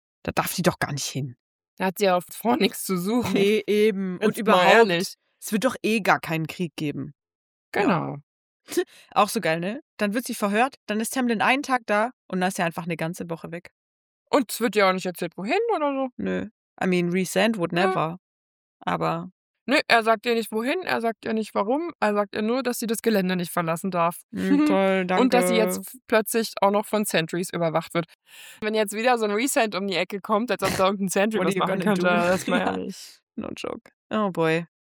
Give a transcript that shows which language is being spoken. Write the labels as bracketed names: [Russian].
[German] Da darf die doch gar nicht hin. Da hat sie ja oft vor nichts zu suchen. Nee, eben. Und überhaupt, es wird doch eh gar keinen Krieg geben. Genau. Ja. Auch so geil, ne? Dann wird sie verhört, dann ist Tamlin einen Tag da und dann ist er einfach eine ganze Woche weg. Und es wird ja auch nicht erzählt, wohin oder so. Nö. [English] I mean, Resent would never. [German] Ja. Aber. Nö, er sagt ihr nicht wohin, er sagt ihr nicht warum, er sagt ihr nur, dass sie das Gelände nicht verlassen darf. Toll, danke. Und dass sie jetzt plötzlich auch noch von Sentries überwacht wird. Wenn jetzt wieder so ein Resend um die Ecke kommt, als ob da irgendein Sentry was machen könnte, das meine ja. ich. [English] No joke. Oh boy.